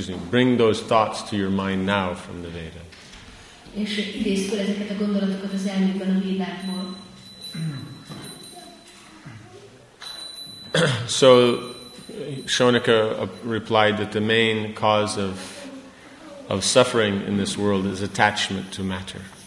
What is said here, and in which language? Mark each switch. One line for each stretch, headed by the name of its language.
English: Bring those thoughts to your mind now from the Veda.
Hungarian: És idézd fel ezeket a gondolatokat az elmében a Védákból.
English: So Shonaka replied that the main cause of suffering in this world is attachment to matter.